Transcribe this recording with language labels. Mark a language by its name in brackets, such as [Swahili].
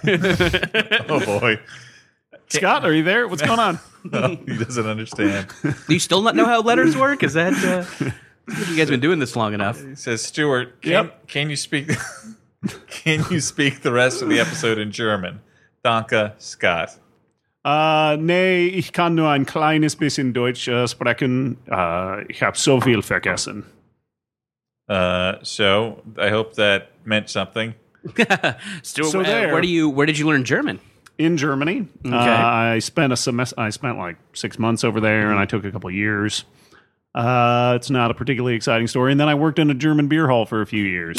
[English] Oh, boy. Scott, are you there? What's going on? No, he doesn't understand. Do you still not know how letters work? Is that... you guys been doing this long enough? He says, Stuart, can you speak the rest of the episode in German? [German] Danke, Scott. Nee, ich kann nur ein kleines bisschen Deutsch sprechen. Ich habe so viel vergessen. [English] So I hope that meant something. Stuart, so where did you learn German? In Germany. Okay. I spent like 6 months over there, and I took a couple of years. It's not a particularly exciting story. And then I worked in a German beer hall for a few years.